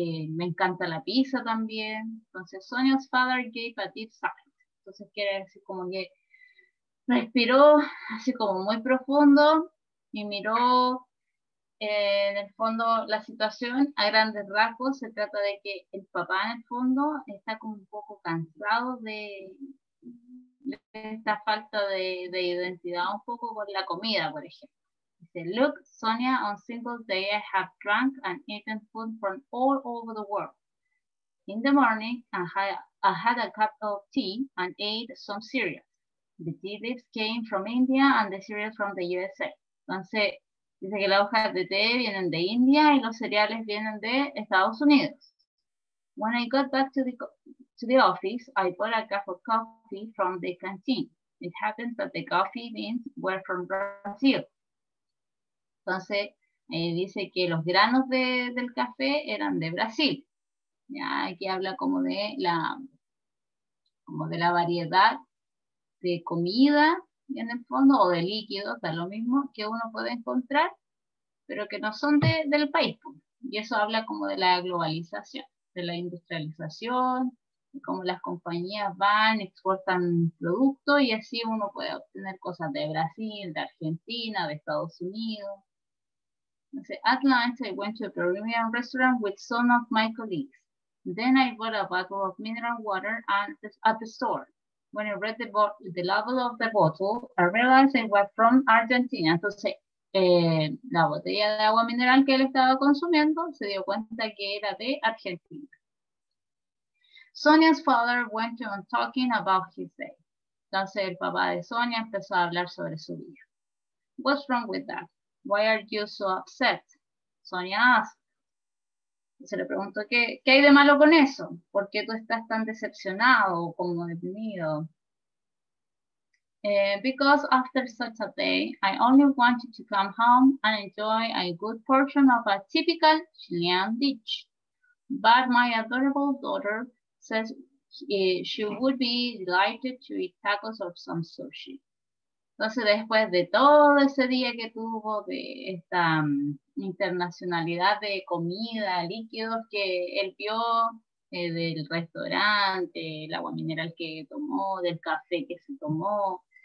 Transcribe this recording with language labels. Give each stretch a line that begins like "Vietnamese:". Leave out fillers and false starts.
Spanish: me encanta la pizza también, entonces
English: Sonia's father gave a deep sigh,
Spanish: entonces quiere decir como que respiró así como muy profundo y miró en el fondo la situación a grandes rasgos. Se trata de que el papá en el fondo está como un poco cansado de esta falta de identidad un poco con la comida, por ejemplo. Dice,
English: look, Sonia, on single day I have drunk and eaten food from all over the world. In the morning I had a cup of tea and ate some cereal. The tea leaves came from India and the cereal from the USA.
Spanish: Entonces, dice que las hojas de té vienen de India y los cereales vienen de Estados Unidos.
English: When I got back to the office, I bought a cup of coffee from the canteen. It happened that the coffee beans were from Brazil.
Spanish: Entonces, dice que los granos del café eran de Brasil. Ya, aquí habla como de la variedad de comida en el fondo, o de líquido, está lo mismo, que uno puede encontrar, pero que no son del país. Y eso habla como de la globalización, de la industrialización, de cómo las compañías van, exportan productos, y así uno puede obtener cosas de Brasil, de Argentina, de Estados Unidos. Entonces,
English: at lunch, I went to a Peruvian restaurant with some of my colleagues. Then I bought a bottle of mineral water at the store. When I read the label of the bottle, I realized it was from Argentina.
Spanish: Entonces, la botella de agua mineral que él estaba consumiendo se dio cuenta que era de Argentina.
English: Sonia's father went on talking about his day.
Spanish: Entonces, el papá de Sonia empezó a hablar sobre su día.
English: What's wrong with that? Why are you so upset? Sonia asked.
Spanish: Se le preguntó, ¿qué hay de malo con eso? ¿Por qué tú estás tan decepcionado o como deprimido?
English: Because after such a day, I only wanted to come home and enjoy a good portion of a typical Chilean dish. But my adorable daughter says she would be delighted to eat tacos or some sushi.
Spanish: Entonces, después de todo ese día que tuvo de esta internacionalidad de comida, líquidos que él vio del restaurante, el agua mineral que tomó, del café que se tomó.